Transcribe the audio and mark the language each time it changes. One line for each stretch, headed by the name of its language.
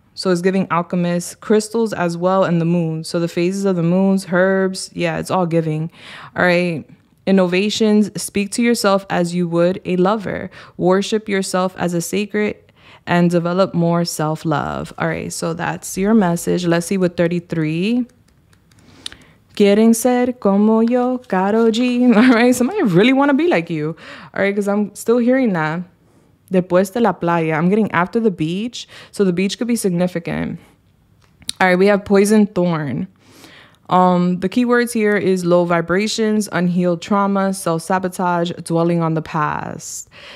English: So it's giving alchemist crystals as well, and the moon. So the phases of the moons, herbs, yeah, it's all giving. All right. Innovations, speak to yourself as you would a lover. Worship yourself as a sacred and develop more self-love. All right. So that's your message. Let's see what 33.
Spanish: Quieren ser como yo, caro G.
English: All right. Somebody really want to be like you. All right. Because I'm still hearing that.
Spanish: Después de la playa.
English: I'm getting after the beach. So the beach could be significant. All right, we have poison thorn. The key words here is low vibrations, unhealed trauma, self-sabotage, dwelling on the past.